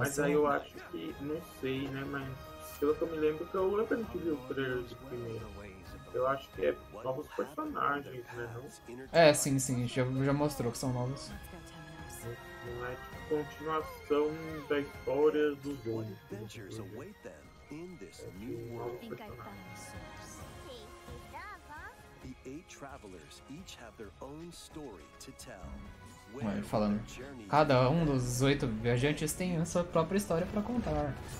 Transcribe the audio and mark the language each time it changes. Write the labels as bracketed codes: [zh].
[pt] Mas aí eu acho que, não sei, né, mas pelo que eu me lembro, que eu lembro que a gente viu o trailer de primeiro. Eu acho que é novos personagens, né, não? Sim, já mostrou que são novos. Não é tipo continuação da história do jogo. [en] The eight travelers each have their own story to tell. [pt] Falando, cada um dos 8 viajantes tem a sua própria história para contar.